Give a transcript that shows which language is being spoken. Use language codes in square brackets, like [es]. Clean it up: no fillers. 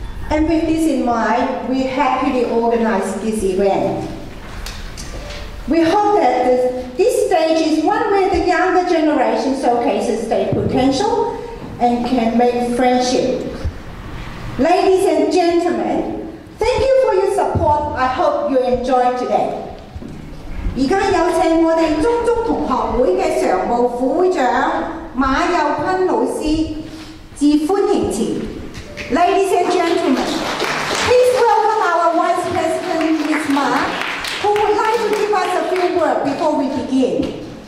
[en] And with this in mind, we happily organize this event. We hope that this stage is one where the younger generation showcases their potential and can make friendship. Ladies and gentlemen, thank you for your support. I hope you enjoy today. [zh] 現在有請我們中中同學會的常務副會長馬佑坤老師致歡迎詞。 [en] Ladies and gentlemen, please welcome our Vice President Ms. Ma, who would like to give us a few words before we begin.